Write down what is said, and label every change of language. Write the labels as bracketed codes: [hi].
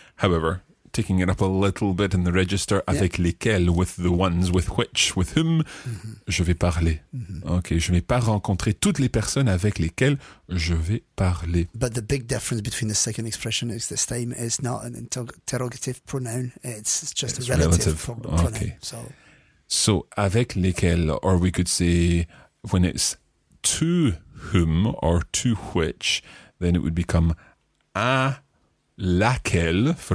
[en] However, taking it up a little bit in the register, avec yeah. lesquels, with the ones, with which, with whom, mm-hmm. [fr] je vais parler. Mm-hmm. Okay, je ne vais pas rencontrer toutes les personnes avec lesquelles je vais parler. [en] But the big difference between the second expression is this time is not an interrogative pronoun, it's just it's a relative pronoun. Okay. So avec lesquels, or we could say when it's to whom or to which, then it would become à laquelle, for